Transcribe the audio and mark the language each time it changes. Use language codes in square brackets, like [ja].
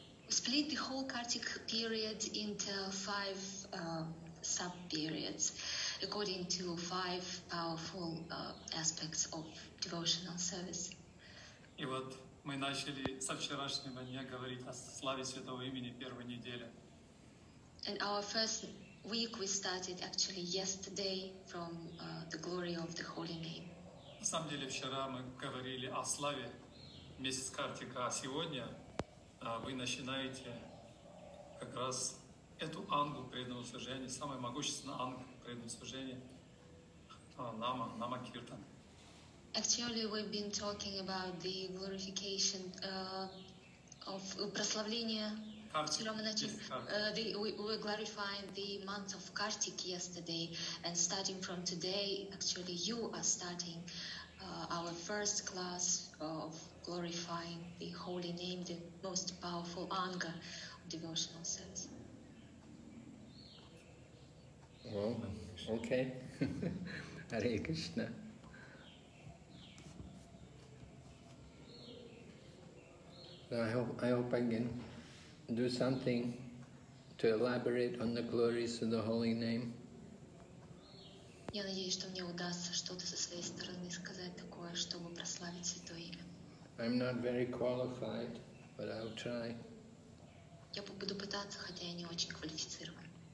[en] Split the whole Kartik period into 5 sub-periods according to 5 powerful aspects of devotional service. [ru] И вот мы начали со вчерашнего дня говорить о славе Святого Имени первой недели. [en] And our first week we started actually yesterday from the glory of the Holy Name. [ru] На самом деле вчера мы говорили о славе месяца Картика, а сегодня вы начинаете как раз эту ангу преданного служения, самую могущественную ангу преданного служения, Нама Киртан. [en] Actually, we've been talking about the glorification of прославление. [ru] Вчера мы начали, [en] we glorified the month of Kartik yesterday, and starting from today, actually, you are starting our first class of glorifying the Holy Name, the most powerful anga, devotional sense. Well, okay. Hare Krishna. I hope I can do something to elaborate on the glories of the Holy Name. [ru] Я надеюсь, что мне удастся что-то со своей стороны сказать такое, чтобы прославить Святое Имя. [en] I'm not very qualified, but I'll try. [ru] Я буду пытаться, хотя я не очень квалифицирован.